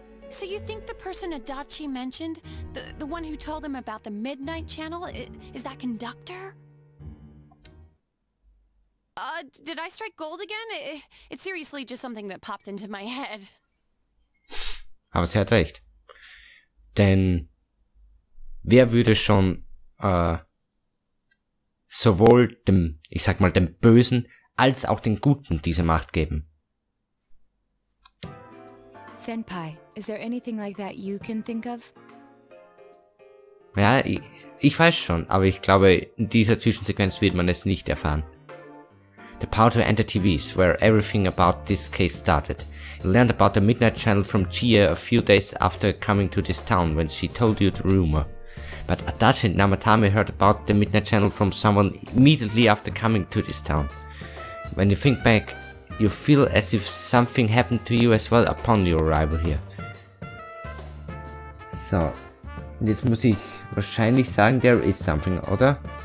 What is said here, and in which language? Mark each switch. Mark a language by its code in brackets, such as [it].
[en] So you think the person Adachi mentioned, the one who told him about the Midnight Channel, is that conductor? Did I strike gold again? It's seriously just something that popped into my head. [de] Aber sie hat recht. Denn wer würde schon sowohl dem, ich sag mal, dem Bösen als auch dem Guten diese Macht geben? [en] Senpai, is there anything like that you can think of? [de] Ja, ich weiß schon, aber ich glaube, in dieser Zwischensequenz wird man es nicht erfahren. [en] The power to enter TVs, where everything about this case started. You learned about the Midnight Channel from Chie a few days after coming to this town when she told you the rumor. But Adachi and Namatame heard about the Midnight Channel from someone immediately after coming to this town. When you think back, you feel as if something happened to you as well upon your arrival here. [de] So, jetzt muss ich wahrscheinlich sagen, [en] there is something, [de] oder?